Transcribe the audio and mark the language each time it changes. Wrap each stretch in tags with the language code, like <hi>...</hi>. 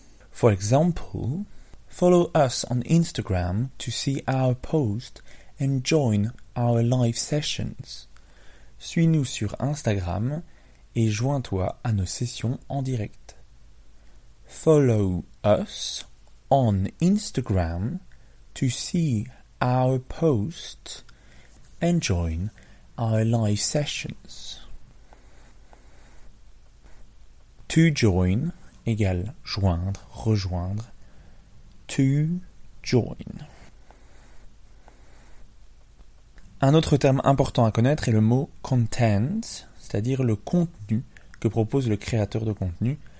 <en>For example, follow us on Instagram to see our post and join our live sessions.</en> <fr>Suis-nous sur Instagram et joins-toi à nos sessions en direct.</fr> <en>Follow us on Instagram to see our post and join our live sessions. To join</en> <fr>égale joindre, rejoindre.</fr> <en>To join.</en> <fr>Un autre terme important à connaître est le mot content, c'est-à-dire le contenu que propose le créateur de contenu.</fr>